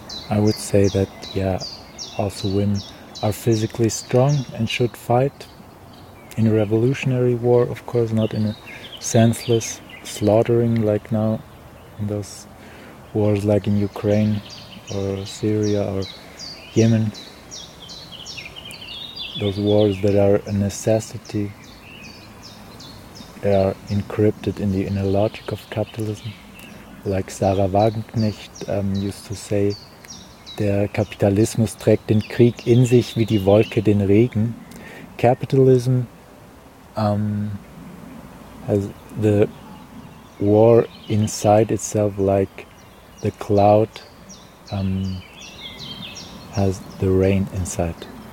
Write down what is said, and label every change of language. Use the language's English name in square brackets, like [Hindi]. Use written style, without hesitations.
[English] I would say that, yeah, also women are physically strong and should fight in a revolutionary war, of course, not in a senseless slaughtering like now in those wars like in Ukraine or Syria or Yemen. Those wars that are a necessity, they are encrypted in the inner logic of capitalism. Like Sarah Wagenknecht used to say, [German] der Kapitalismus trägt den Krieg in sich wie die Wolke den Regen. [English] Capitalism has the war inside itself like the cloud has the rain inside it.